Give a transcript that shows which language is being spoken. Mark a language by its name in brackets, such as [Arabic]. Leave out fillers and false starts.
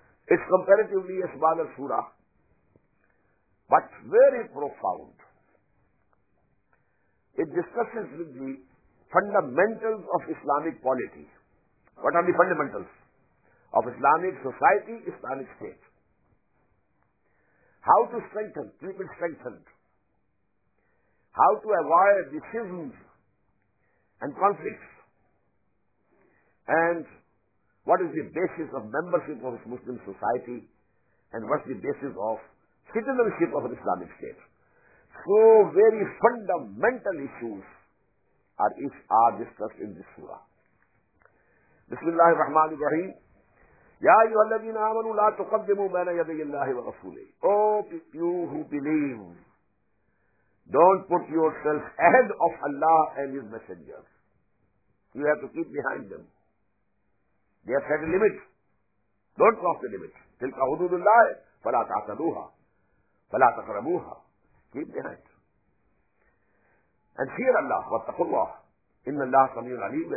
[English] It's comparatively a smaller سورہ but very profound. It discusses with the fundamentals of Islamic polity. What are the fundamentals of Islamic society, Islamic state? How to strengthen, keep it strengthened, how to avoid the schisms and conflicts, and what is the basis of membership of Muslim society, and what the basis of citizenship of Islamic state. So very fundamental issues are discuss in this سورہ. [Arabic] بسم اللہ الرحمن الرحیم. یا ایھا الذین آمنوا لا تقدموا بین یدی اللہ ورسولہ. [English] O you who believe, don't put your self ahead of اللہ and his messenger. You have to keep behind them. They have set a limit, don't cross the limit. [Arabic] تلک حدود اللہ فلا تعتدوها فلا تقربوها. [English] keep behind and fear اللہ [Arabic] واتقوا اللہ ان اللہ سمیع علیم.